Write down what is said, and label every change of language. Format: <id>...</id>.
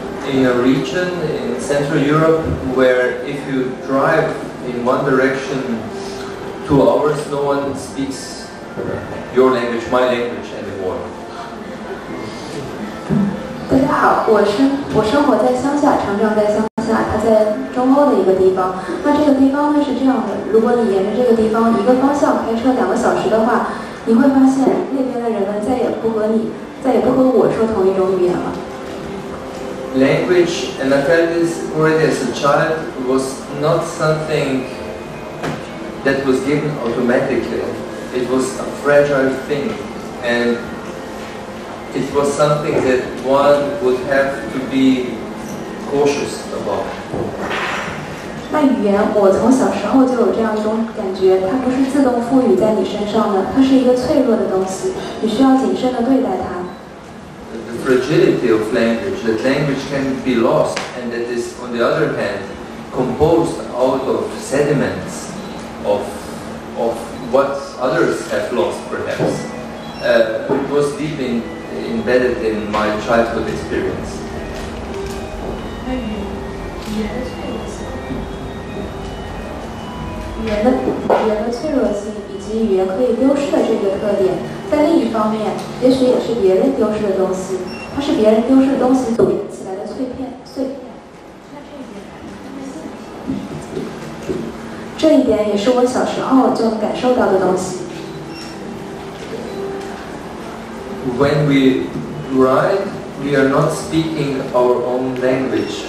<en>In a region in Central Europe where if you drive in one direction 2 hours, no one speaks your language, my language anymore.</en> <zh>大家好，我生活在乡下，成长在乡下，它在中欧的一个地方。那这个地方呢是这样的，如果你沿着这个地方一个方向开车2个小时的话，你会发现那边的人们再也不和你，再也不和我说同一种语言了。</zh> <en>language, and I felt this already as a child, was not something that was given automatically. It was a fragile thing, and it was something that one would have to be cautious about.</en> <zh>那语言，我从小时候就有这样一种感觉，它不是自动赋予在你身上的，它是一个脆弱的东西，你需要谨慎地对待它。</zh> <en>The fragility of language, that language can be lost, and that is, on the other hand, composed out of sediments of what others have lost, perhaps. It was deep in, embedded in my childhood experience.</en> <zh>语言的脆弱性以及语言可以丢失的这个特点。</zh> <en>When we write, we are not speaking our own language.</en>